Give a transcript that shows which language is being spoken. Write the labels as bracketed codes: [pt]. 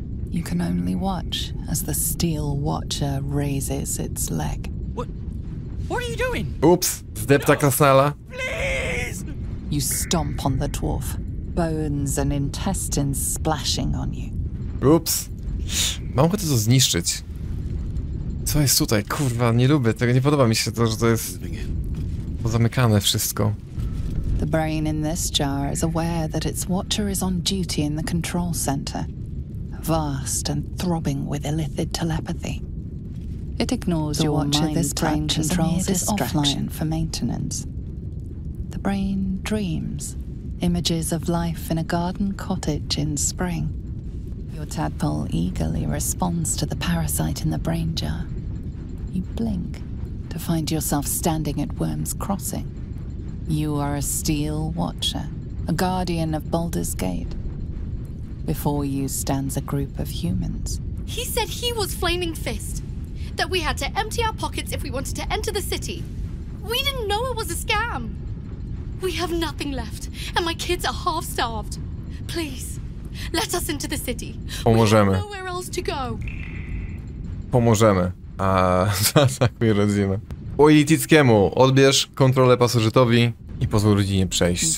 [en] You can only watch as the steel watcher raises its leg. What are you doing? [pl] Oops, zdepta krasnala. [en] Please! You stomp on the dwarf, bones and intestines splashing on you. [pl] Oops, mam ochotę to zniszczyć. Co jest tutaj? Kurwa, nie lubię tego, nie podoba mi się to, że to jest pozamykane wszystko. [en] The brain in this jar is aware that its watcher is on duty in the control center. Vast and throbbing with illithid telepathy. It ignores your watcher this time and controls is offline for maintenance. The brain dreams, images of life in a garden cottage in spring. Your tadpole eagerly responds to the parasite in the brain jar. You blink to find yourself standing at Worm's Crossing. You are a steel watcher, a guardian of Baldur's Gate. Before you stands a group of humans. He said he was Flaming Fist. That we had to empty our pockets if we wanted to enter the city. We didn't know it was a scam. We have nothing left, and my kids are half starved. Please, let us into the city. [pl] Pomożemy. [en] We have nowhere else to go. [pl] Pomożemy. A zaatakuj rodzinę. U Ilitickiemu, odbierz kontrolę pasożytowi i pozwól rodzinie przejść.